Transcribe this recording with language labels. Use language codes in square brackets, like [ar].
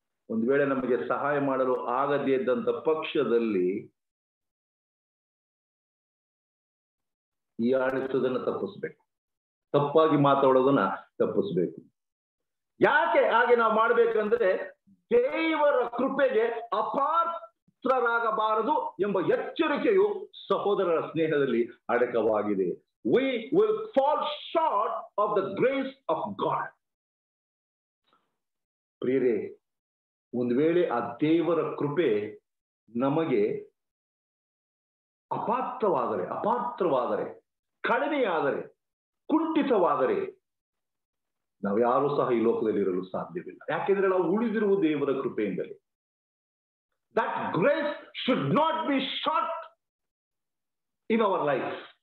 [kn] ಒಂದ್ ವೇಳೆ ನಮಗೆ ಸಹಾಯ ಮಾಡಲು ಆಗದೇ ಇದ್ದಂತ ಪಕ್ಷದಲ್ಲಿ ಆಡಿಸೋದನ್ನ ತಪ್ಪಿಸ್ಬೇಕು, ತಪ್ಪಾಗಿ ಮಾತಾಡೋದನ್ನ ತಪ್ಪಿಸ್ಬೇಕು. ಯಾಕೆ ಹಾಗೆ ನಾವು ಮಾಡ್ಬೇಕಂದ್ರೆ, ದೇವರ ಕೃಪೆಗೆ ಅಪಾತ್ರರಾಗಬಾರದು ಎಂಬ ಎಚ್ಚರಿಕೆಯು ಸಹೋದರರ ಸ್ನೇಹದಲ್ಲಿ ಅಡಕವಾಗಿದೆ. [en] We will fall short of the grace of God. [kn] ಪ್ರಿಯರೇ, ಒಂದು ವೇಳೆ ಆ ದೇವರ ಕೃಪೆ ನಮಗೆ ಅಪಾತ್ರವಾದರೆ ಕಡಿಮೆಯಾದರೆ ಕುಂಠಿತವಾದರೆ ನಾವ್ಯಾರೂ ಸಹ ಈ ಲೋಕದಲ್ಲಿ ಇರಲು ಸಾಧ್ಯವಿಲ್ಲ. ಯಾಕೆಂದ್ರೆ ನಾವು ಉಳಿದಿರುವ ದೇವರ ಕೃಪೆಯಿಂದಲೇ. [en] That grace should not be short in our life.